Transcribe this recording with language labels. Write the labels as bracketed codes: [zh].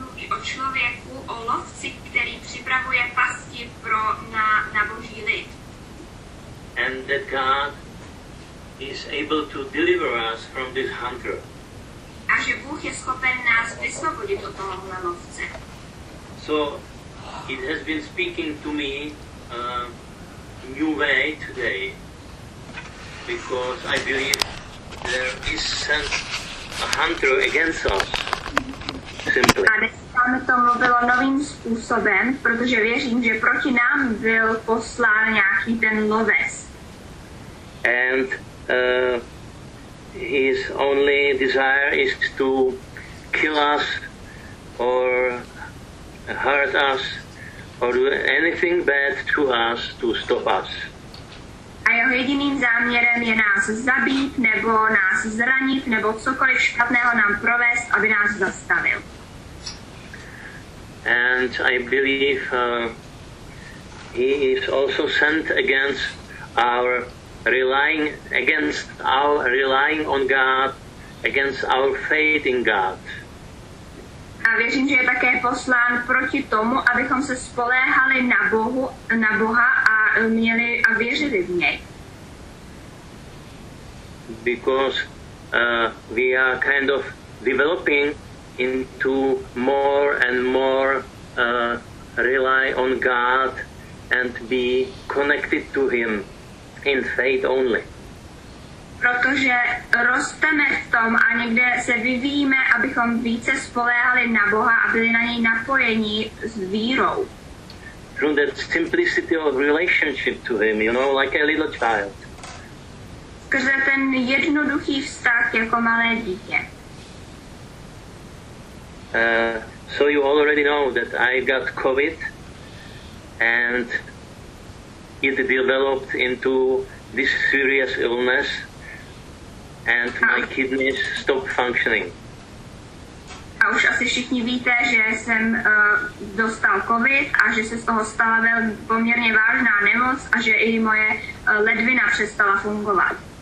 [cs] O člověku, o lovci, který připravuje pasti pro na Boží lid. [en] And that God is able to deliver us from this hunger. [cs] A že Bůh je schopen nás vysvobodit od tohohle lovce. [en] So it has been speaking to me a new way today, because I believe there is sent a hunter against us. Simply. [cs] Mi to mluvilo novým způsobem, protože věřím, že proti nám byl poslán nějaký ten lovec. [en] And his only desire is to kill us or hurt us or do anything bad to us to stop us. [cs] A jeho jediným záměrem je nás zabít nebo nás zranit nebo cokoliv špatného nám provést, aby nás zastavil. [en] And I believe he is also sent against our relying on God, against our faith in God. [cs] A věřím, že je také poslán proti tomu, abychom se spoléhali na Boha a věřili v něj. [en] Because we are kind of developing into more and more rely on God and be connected to Him in faith only. [cs] Protože rosteme v tom a někde se vyvíjíme, abychom více spoléhali na Boha a byli na něj napojeni s vírou. [en] Through that simplicity of relationship to Him, you know, like a little child. [cs] Skrze ten jednoduchý vztah jako malé dítě. [en] So you already know that I got COVID and it developed into this serious illness and my kidneys stopped functioning. [cs] A už asi všichni víte, že jsem dostal COVID a že se z toho stala poměrně vážná nemoc a že i moje ledvina přestala fungovat.